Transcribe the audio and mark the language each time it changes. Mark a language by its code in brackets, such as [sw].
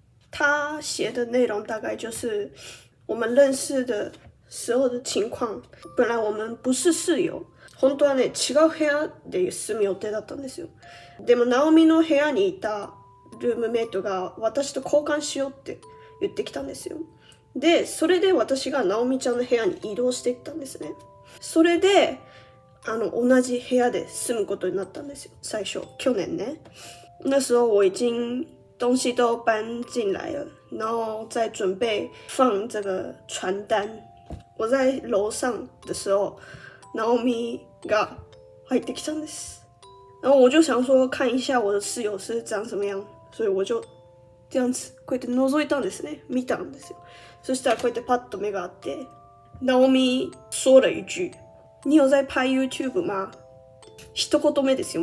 [zh] 他写的内容大概就是我们认识的时候的情况。本来我们不是室友， [ja] 本当はね違う部屋で住む予定だったんですよ。でもナオミの部屋にいたルームメイトが私と交換しようって言ってきたんですよ。でそれで私がナオミちゃんの部屋に移動していったんですね。それであの同じ部屋で住むことになったんですよ。最初去年ね。 [zh] 那时候我已经东西都搬进来了，然后再准备放这个传单。我在楼上的时候， [ja] ナオミが入ってきたんです。 [zh] 然后我就想说看一下我的室友是长什么样，所以我就这样子 [ja] こうやって覗いたんですね。見たんですよ。そしたらこうやってパッと目があって、ナオミ [zh] 说了一句：“你有在拍 YouTube 吗？” [ja] 一言目ですよ。